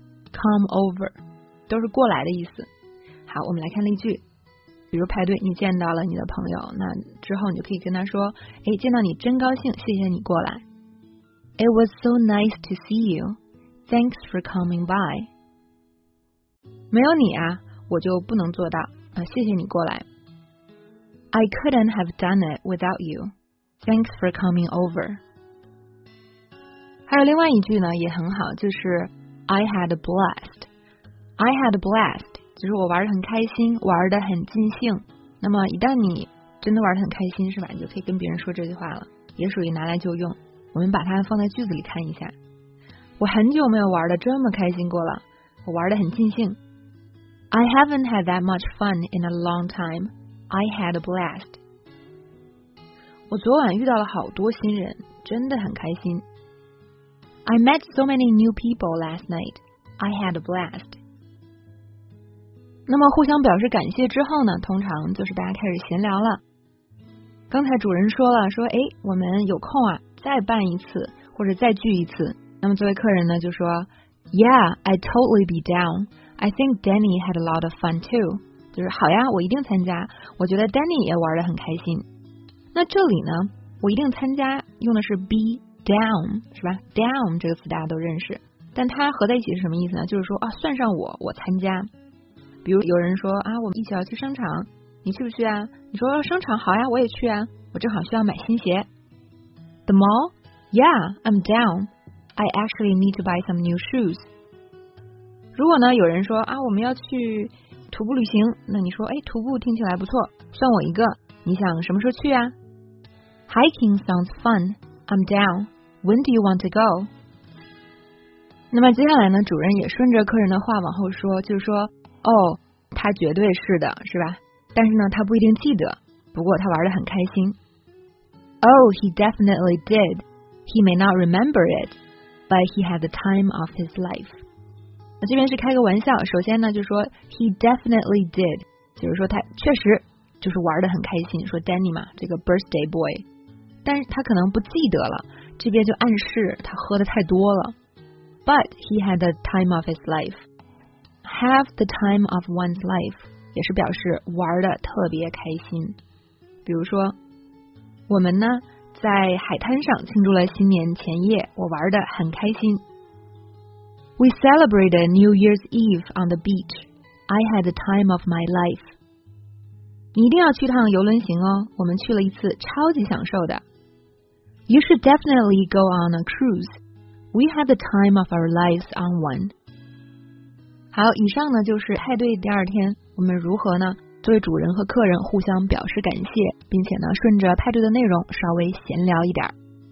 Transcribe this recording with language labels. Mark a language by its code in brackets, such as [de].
[zh] Come over 都是过来的意思。好，我们来看例句，比如派对你见到了你的朋友，那之后你就可以跟他说，哎，见到你真高兴，谢谢你过来。 [en] It was so nice to see you. Thanks for coming by. [zh] 没有你啊我就不能做到啊，谢谢你过来。 [en] I couldn't have done it without you. Thanks for coming over. [zh] 还有另外一句呢也很好，就是 [en] I had a blast. I had a blast [zh] 就是我玩得很开心，玩得很尽兴。那么一旦你真的玩得很开心是吧，你就可以跟别人说这句话了，也属于拿来就用。我们把它放在句子里看一下，我很久没有玩得这么开心过了，我玩得很尽兴。 [en] I haven't had that much fun in a long time. I had a blast. [zh] 我昨晚遇到了好多新人，真的很开心。 [en] I met so many new people last night. I had a blast. [zh] 那么互相表示感谢之后呢，通常就是大家开始闲聊了。刚才主人说了，说哎，我们有空啊，再办一次或者再聚一次。那么作为客人呢，就说 [en] Yeah, I'd totally be down. I think Danny had a lot of fun too. [zh] 就是好呀，我一定参加。我觉得 Danny 也玩得很开心。那这里呢，我一定参加用的是 be。 Down 是吧 ？Down 这个词大家都认识，但它合在一起是什么意思呢？就是说啊，算上我，我参加。比如有人说啊，我们一起要去商场，你去不去啊？你说商场好呀，我也去啊，我正好需要买新鞋。 [en] The mall? Yeah, I'm down. I actually need to buy some new shoes. [zh] 如果呢有人说啊，我们要去徒步旅行，那你说哎，徒步听起来不错，算我一个，你想什么时候去啊？ [en] Hiking sounds fun. I'm down. When do you want to go? [zh] 那么接下来呢，主人也顺着客人的话往后说，就是说哦，他绝对是的，是吧？但是呢他不一定记得，不过他玩得很开心。 [en] Oh, he definitely did. He may not remember it, but he had the time of his life. [zh] 那这边是开个玩笑，首先呢就是说 [en] he definitely did, [zh] 就是说他确实就是玩得很开心，说 Danny 嘛，这个 [en] birthday boy, [zh] 但是他可能不记得了，这边就暗示他喝得太多了。 [en] But he had the time of his life. Have the time of one's life [zh] 也是表示玩得特别开心。比如说，我们呢在海滩上庆祝了新年前夜，我玩得很开心。 [en] We celebrated New Year's Eve on the beach. I had the time of my life. [zh] 你一定要去趟游轮行哦，我们去了一次，超级享受的。 [en] You should definitely go on a cruise. We had the time of our lives on one. [zh] 好，以上呢就是派对第二天，我们如何呢作为主人和客人互相表示感谢，并且呢顺着派对的内容稍微闲聊一点。